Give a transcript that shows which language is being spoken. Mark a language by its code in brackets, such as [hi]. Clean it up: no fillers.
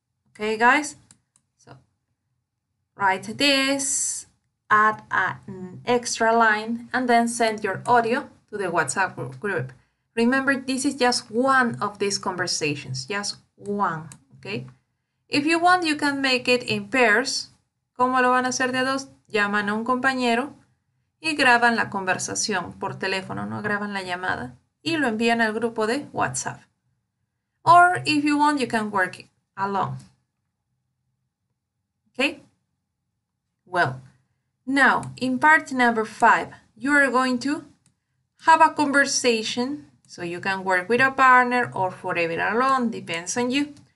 [en] Okay, guys, so write this, add an extra line, and then send your audio to the WhatsApp group. Remember, this is just one of these conversations, just one, okay? If you want, you can make it in pairs. [es] ¿Cómo lo van a hacer de dos? Llaman a un compañero y graban la conversación por teléfono, no graban la llamada, y lo envían al grupo de WhatsApp. [en] Or if you want, you can work it alone. Okay? Well, now, in part number five, you are going to have a conversation. So you can work with a partner or forever alone, depends on you.